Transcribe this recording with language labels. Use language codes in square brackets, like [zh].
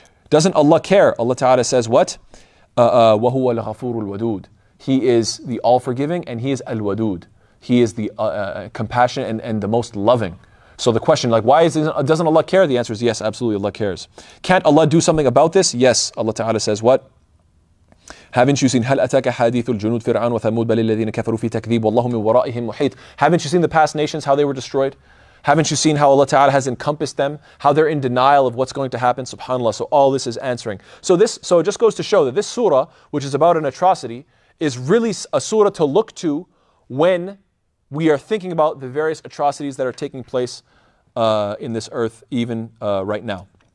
[en] Doesn't Allah care? Allah Ta'ala says what? [ar] وَهُوَ الْغَفُورُ الْوَدُودُ. [en] He is the all-forgiving and He is al-wadood. He is the compassionate and the most loving. So the question, like, why doesn't Allah care? The answer is yes, absolutely Allah cares. Can't Allah do something about this? Yes, Allah Ta'ala says what? Haven't you seen [ar] هَلْ أَتَكَ حَدِيثُ الْجُنُودِ فِرْعَانُ وَثَمُودَ بَلِ الَّذِينَ كَفَرُوا فِي تَكْذِيبُ وَاللَّهُ مِنْ وَرَائِهِمْ مُحِيطُ. [en] Haven't you seen the past nations, how they were destroyed? Haven't you seen how Allah Ta'ala has encompassed them? How they're in denial of what's going to happen? SubhanAllah. So all this is answering. So it just goes to show that this surah, which is about an atrocity, is really a surah to look to when we are thinking about the various atrocities that are taking place in this earth, even right now.